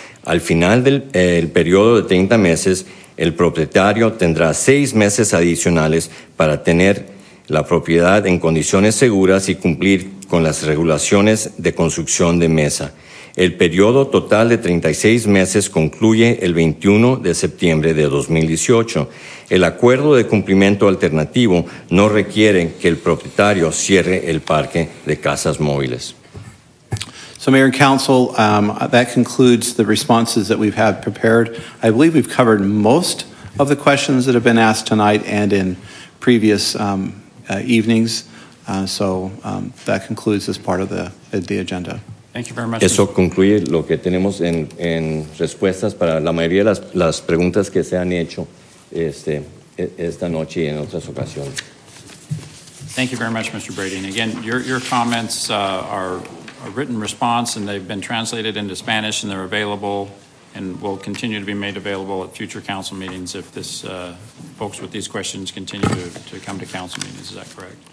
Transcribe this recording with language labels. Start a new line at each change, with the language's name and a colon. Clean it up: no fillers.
Spanish: Al final del periodo de 30 meses, el propietario tendrá 6 meses adicionales para tener la propiedad en condiciones seguras y cumplir con las regulaciones de construcción de mesa. El periodo total de 36 meses concluye el 21 de septiembre de 2018. El acuerdo de cumplimiento alternativo no requiere que el propietario cierre el parque de casas móviles.
English: So, Mayor and Council, that concludes the responses that we've had prepared. I believe we've covered most of the questions that have been asked tonight and in previous evenings. So that concludes this part of the agenda. Thank you very much.
Spanish: Eso concluye lo que tenemos en respuestas para la mayoría de las preguntas que se han hecho esta noche y en otras ocasiones.
English: Thank you very much, Mr. Brady. And again, your comments are a written response, and they've been translated into Spanish, and they're available and will continue to be made available at future council meetings if this folks with these questions continue to come to council meetings. Is that correct?